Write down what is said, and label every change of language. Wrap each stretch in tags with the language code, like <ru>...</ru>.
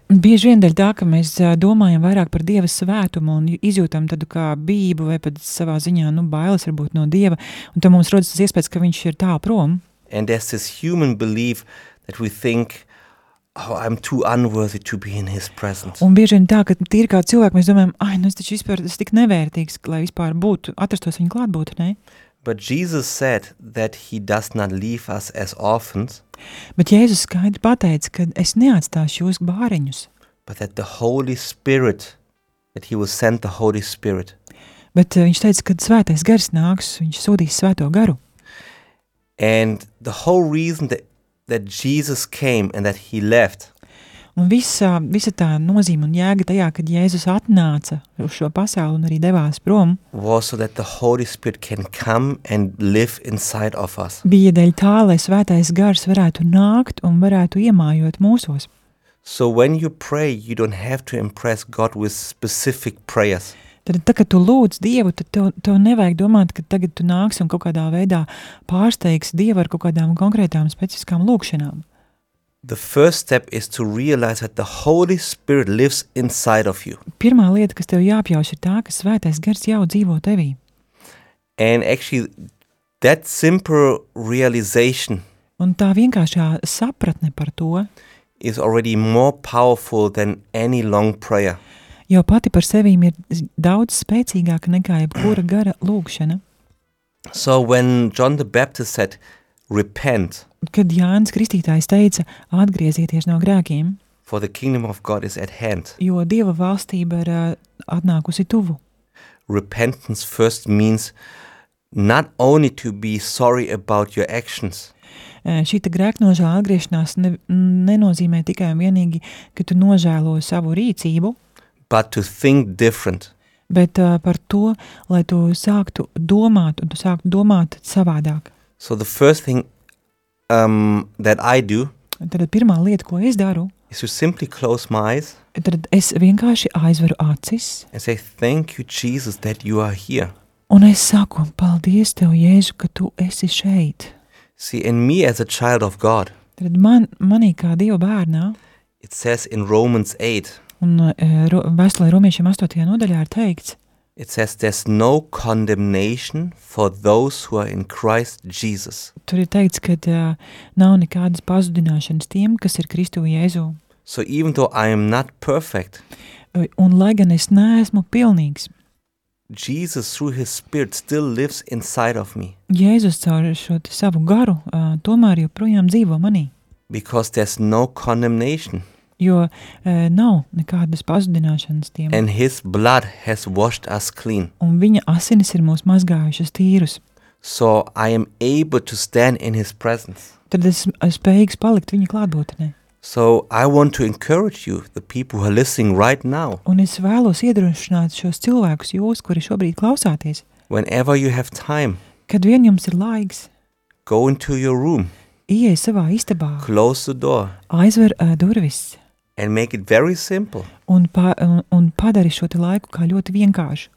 <lv>Bieži vien dēļ tā, ka mēs domājam vairāk par Dieva svētumu un izjūtam tādu kā bību vai pat savā ziņā, nu, bailes varbūt no Dieva, un tad mums rodas tas iespējas, ka viņš ir tālu prom.</lv> <en>And there's this human belief that we think, oh, I'm too unworthy to be in his presence.</en> <lv>Un bieži vien tā, ka tie ir kā cilvēki, mēs domājam, ai, nu es taču vispār, es tik nevērtīgs, lai vispār būtu, atrastos viņu klātbūt, ne?</lv> <en>But Jesus said that he does not leave us as orphans.</en> <lv>Bet Jēzus skaidri pateica, ka es neatstāšu jūs bāriņus.</lv> <en>But that the Holy Spirit, that he will send the Holy Spirit.</en> <lv>Bet viņš teica, ka svētais gars nāks, viņš sūtīs svēto garu.</lv> <en>And the whole reason that Jesus came and that he left.</en> <lv>Un visa tā nozīme un jēga tajā, kad Jēzus atnāca uz šo pasauli un arī devās prom.</lv> <en>Was so that the Holy Spirit can come and live inside of us.</en> <lv>Bija dēļ tā, lai Svētais Gars varētu nākt un varētu iemājot mūsos.</lv> <en>So when you pray, you don't have to impress God with specific prayers.</en> <lv>Tad, kad tu lūdz Dievu, tad tev nevajag domāt, ka tagad tu nāks un kaut kādā veidā pārsteigs Dievu ar kaut kādām konkrētām specifiskām lūkšanām.</lv> <en>The first step is to realize that the Holy Spirit lives inside of you.</en> <lv>Pirmā lieta, kas tev jāpjauš, ir tā, ka Svētais Gars jau dzīvo tevī.</lv> <en>And actually, that simple realization</en> <lv>un tā vienkāršā sapratne par to</lv> <en>is already more powerful than any long prayer.</en> <lv>Jau pati par sevi ir daudz spēcīgāka nekā jebkura gara lūkšana.</lv> <en>So when John the Baptist said, repent.</en> <lv>Kad Jānis Kristītājs teica, atgriezieties no grēkiem.</lv> <en>For the kingdom of God is at hand.</en> <lv>Jo Dieva valstība ir atnākusi tuvu.</lv> <en>Repentance first means not only to be sorry about your actions.</en> <lv>Šīta grēknožēla atgriešanās nenozīmē tikai un vienīgi, ka tu nožēlo savu rīcību.</lv> <en>But to think different.</en> <lv>Bet par to, lai tu sāktu domāt un tu sāktu domāt savādāk.</lv> <en>So the first thing that I do,</en> <lv>tad pirmā lieta, ko es daru,</lv> <en>is to simply close my eyes.</en> <lv>Tad es vienkārši aizveru acis.</lv> <en>I say thank you Jesus that you are here.</en> <lv>Un es saku, paldies tev Jēzu, ka tu esi šeit.</lv> <en>See in me as a child of God.</en> <lv>Tad manī kā Dieva bērnā.</lv> <en>It says in Romans 8.</en> <lv>Un vēstulē Romiešiem 8. Nodaļā ir teikts.</lv> <en>It says there's no condemnation for those who are in Christ Jesus.</en> <lv>Tur ir teikts, ka nav nekādas pazudināšanas tiem, kas ir Kristu Jēzū.</lv> <en>So even though I am not perfect.</en> <lv>Un lai gan es neesmu pilnīgs.</lv> <en>Jesus through his spirit still lives inside of me.</en> <lv>Jēzus caur šo savu garu tomēr joprojām dzīvo manī.</lv> <en>Because there's no condemnation.</en> <lv>Jo nav nekādas pazudināšanas tiem.</lv> <en>And his blood has washed us clean.</en> <lv>Un viņa asinis ir mūs mazgājušas tīrus.</lv> <en>So I am able to stand in his presence.</en> <lv>Tad es spējīgs palikt viņa klātbūtnē.</lv> <en>So I want to encourage you, the people who are listening right now.</en> <lv>Un es vēlos iedrošināt šos cilvēkus jūs, kuri šobrīd klausāties.</lv> <en>Whenever you have time.</en> <lv>Kad vien jums ir laiks.</lv> <en>Go into your room.</en> <lv>Ieej savā istabā.</lv> <en>Close the door.</en> <lv>Aizver durvis.</lv> <en>And make it very simple.</en> <lv>Un padari šo te laiku kā ļoti vienkāršu.</lv>